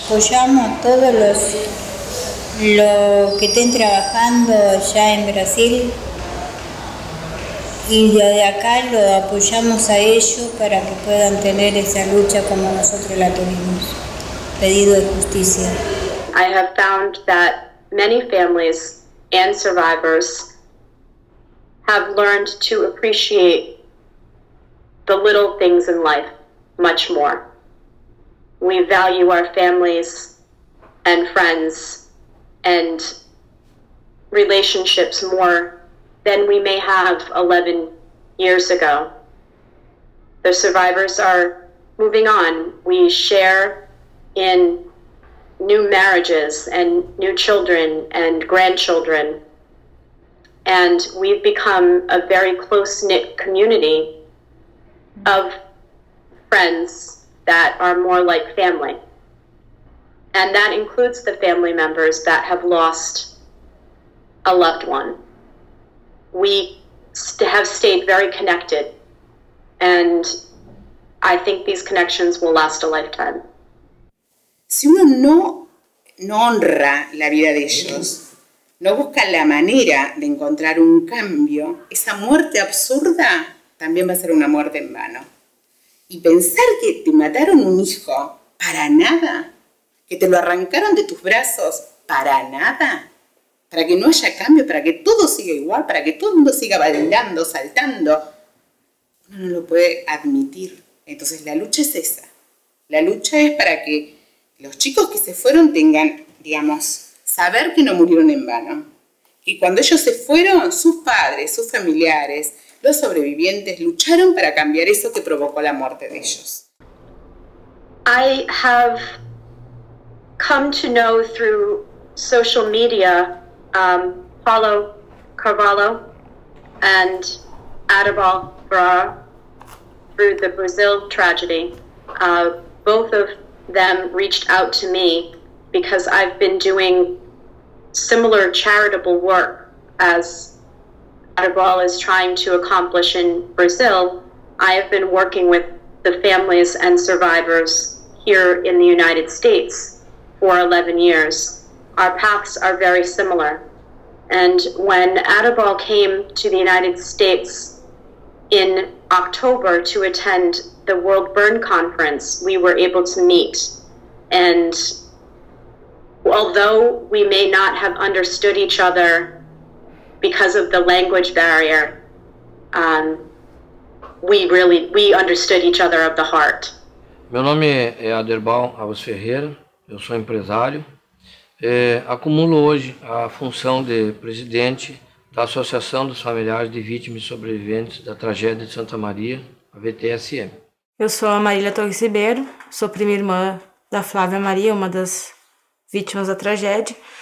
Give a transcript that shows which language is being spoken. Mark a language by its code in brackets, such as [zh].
[es] Apoyamos a todos los que estén trabajando ya en Brasil. Y desde acá lo apoyamos a ellos para que puedan tener esa lucha como nosotros la tuvimos. Pedido de justicia. [en] I have found that many families and survivors have learned to appreciate the little things in life much more. We value our families and friends and relationships more than we may have 11 years ago. The survivors are moving on. We share in new marriages and new children and grandchildren. And we've become a very close-knit community of friends that are more like family. And that includes the family members that have lost a loved one. We have stayed very connected, and I think these connections will last a lifetime. [es] Si uno no honra la vida de ellos, no busca la manera de encontrar un cambio, esa muerte absurda también va a ser una muerte en vano. Y pensar que te mataron un hijo para nada, que te lo arrancaron de tus brazos para nada, para que no haya cambio, para que todo siga igual, para que todo el mundo siga bailando, saltando, uno no lo puede admitir. Entonces la lucha es esa. La lucha es para que los chicos que se fueron tengan, digamos, saber que no murieron en vano. Y cuando ellos se fueron, sus padres, sus familiares, los sobrevivientes lucharon para cambiar eso que provocó la muerte de ellos. [en] I have come to know through social media Paulo Carvalho and Adibal Ferrara through the Brazil tragedy. Both of them reached out to me because I've been doing similar charitable work as Adibal is trying to accomplish in Brazil. I have been working with the families and survivors here in the United States for 11 years. Our paths are very similar. And when Adibal came to the United States in October to attend the World Burn Conference, we were able to meet. And although we may not have understood each other because of the language barrier, we understood each other of the heart. [pt] Meu nome é Adibal Alves Ferreira, eu sou empresário. Acumulo hoje a função de presidente da Associação dos Familiares de Vítimas e Sobreviventes da Tragédia de Santa Maria, a VTSM. Eu sou a Marília Torres Ribeiro, sou prima irmã da Flávia Maria, uma das vítimas da tragédia.